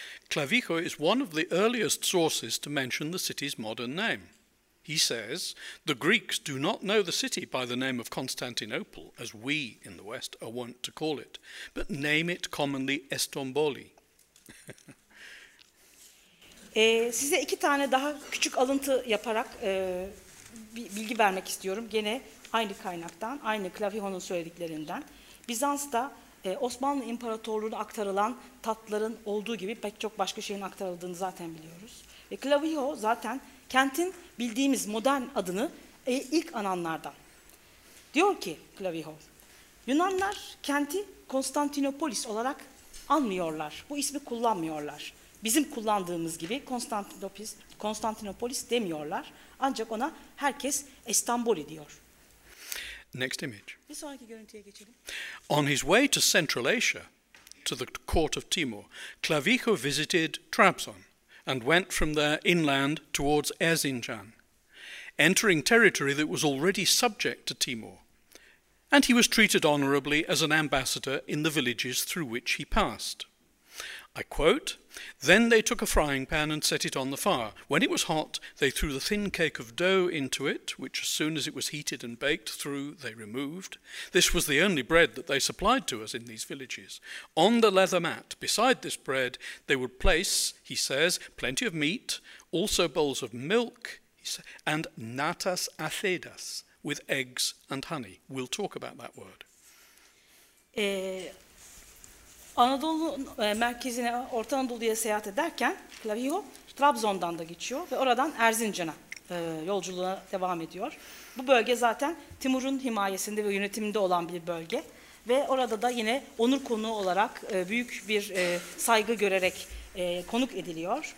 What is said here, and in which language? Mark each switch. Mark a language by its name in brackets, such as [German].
[English] Clavijo is one of the earliest sources to mention the city's modern name. He says, the Greeks do not know the city by the name of Constantinople, as we in the West are wont to call it, but name it commonly Estomboli. [Turkish] Size iki tane daha küçük alıntı yaparak bir bilgi vermek istiyorum. Gene aynı kaynaktan, aynı Clavijo'nun söylediklerinden. Bizans'ta Osmanlı İmparatorluğu'na aktarılan tatların olduğu gibi pek çok başka şeyin aktarıldığını zaten biliyoruz. Ve Clavijo zaten kentin bildiğimiz modern adını ilk ananlardan. Diyor ki Clavijo, Yunanlar kenti Konstantinopolis olarak anmıyorlar, bu ismi kullanmıyorlar. Bizim kullandığımız gibi Konstantinopolis demiyorlar. Ancak ona herkes İstanbul diyor. [English] Next image. [Turkish] Bir sonraki görüntüye geçelim. [English] On his way to Central Asia, to the court of Timur, Clavijo visited Trabzon and went from there inland towards Erzincan, entering territory that was already subject to Timur. And he was treated honorably as an ambassador in the villages through which he passed. I quote, then they took a frying pan and set it on the fire. When it was hot, they threw the thin cake of dough into it, which as soon as it was heated and baked through, they removed. This was the only bread that they supplied to us in these villages. On the leather mat beside this bread, they would place, he says, plenty of meat, also bowls of milk, he says, and natas athedas, with eggs and honey. We'll talk about that word. [Turkish] Anadolu merkezine, Orta Anadolu'ya seyahat ederken Clavijo Trabzon'dan da geçiyor ve oradan Erzincan'a yolculuğuna devam ediyor. Bu bölge zaten Timur'un himayesinde ve yönetiminde olan bir bölge ve orada da yine onur konuğu olarak büyük bir saygı görerek konuk ediliyor.